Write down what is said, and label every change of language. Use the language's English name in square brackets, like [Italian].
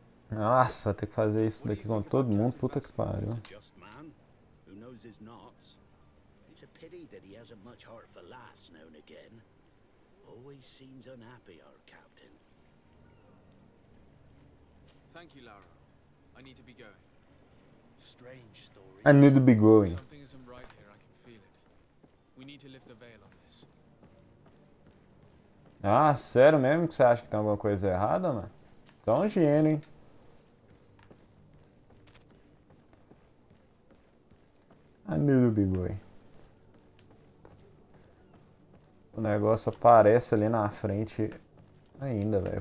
[Portuguese] Nossa, tem que fazer isso daqui com todo mundo, puta que pariu. [English] Who knows his knots? It's a pity that he hasn't much heart for lass now and again. Always seems unhappy, our captain. Thank you, Lara. I need to be going. Strange story. I need to be going. Something isn't right here, I can feel it. We need to lift the veil on this. [Portuguese] Ah, sério mesmo que você acha que tem alguma coisa errada, mano? Tão gênio, hein? [English] A noob boy. [Portuguese] O negócio aparece ali na frente ainda, velho.